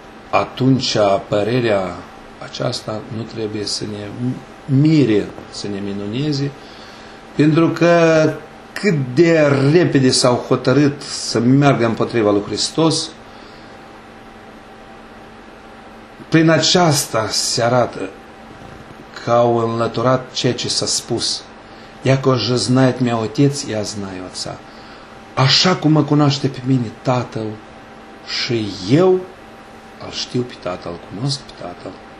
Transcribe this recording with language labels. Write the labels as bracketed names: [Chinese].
[Romanian] atunci părerea aceasta nu trebuie să ne mire, să ne minuneze, pentru că cât de repede s-au hotărât să meargă împotriva lui Hristos, prin aceasta se arată că au înlăturat ceea ce s-a spus. [Russian] Iaco же знает меня Отец, я знаю Отца. [Romanian] Așa cum mă cunoaște pe mine Tatăl și eu îl știu pe Tatăl, cunosc pe Tatăl.